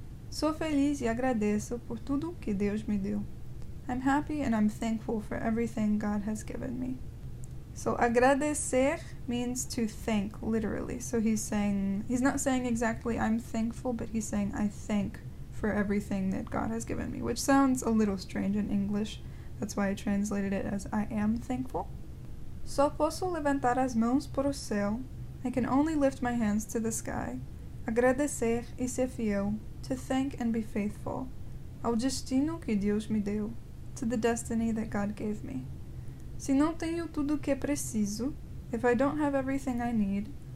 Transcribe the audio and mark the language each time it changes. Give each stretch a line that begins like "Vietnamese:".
Portuguese: Sou feliz e agradeço por tudo que Deus me deu.
English: I'm happy and I'm thankful for everything God has given me. So agradecer means to thank, literally. So he's not saying exactly I'm thankful, but he's saying I thank for everything that God has given me, which sounds a little strange in English. That's why I translated it as I am thankful.
Portuguese: Só posso levantar as mãos para o céu.
English: I can only lift my hands to the sky.
Portuguese: Agradecer e ser fiel.
English: To thank and be faithful.
Portuguese: Ao destino que Deus me deu.
English: To the destiny that God gave me.
Portuguese: Se não tenho tudo que preciso.
English: If I don't have everything I need.